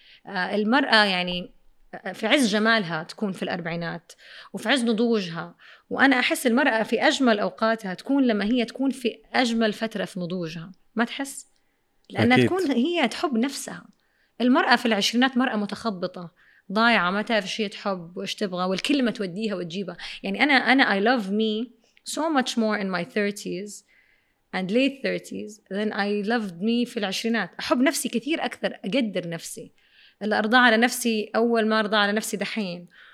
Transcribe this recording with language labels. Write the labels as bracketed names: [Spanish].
[Arabic] المرأة يعني في عز جمالها تكون في الأربعينات وفي عز نضوجها، وأنا أحس المرأة في أجمل أوقاتها تكون لما هي تكون في أجمل فترة في نضوجها، ما تحس؟ لأنها تكون هي تحب نفسها. المرأة في العشرينات مرأة متخبطة ضايعة، ما تعرف شيء تحب وإيش تبغى، والكلمة توديها وتجيبها. يعني أنا [English] I love me so much more in my 30s and late 30s than I loved me [Arabic] في العشرينات. أحب نفسي كثير أكثر، أقدر نفسي، اللي أرضى على نفسي أول ما أرضى على نفسي دحين.